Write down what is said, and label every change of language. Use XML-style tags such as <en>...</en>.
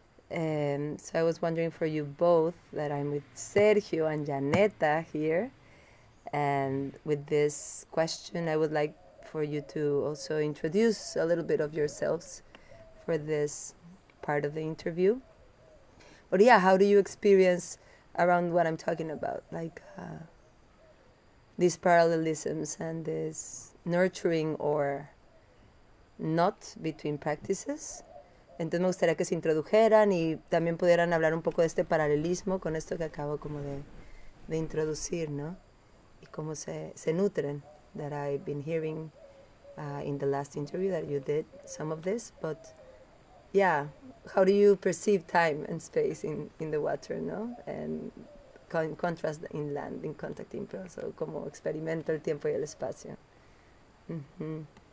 <en>And so I was wondering for you both, that I'm with Sergio and Zaneta here, and with this question, I would like for you to also introduce a little bit of yourselves for this part of the interview. But yeah, how do you experience around what I'm talking about? Like these parallelisms and this nurturing or not between practices.</en> <es>Entonces me gustaría que se introdujeran y también pudieran hablar un poco de este paralelismo con esto que acabo como de introducir, ¿no? Y cómo se nutren,</es> <en>that I've been hearing in the last interview that you did some of this, but yeah, how do you perceive time and space in the water, no? And in contrast in land, in contact improv, so</en> <es>como experimento el tiempo y el espacio.</es> <en>Mm-hmm.</en>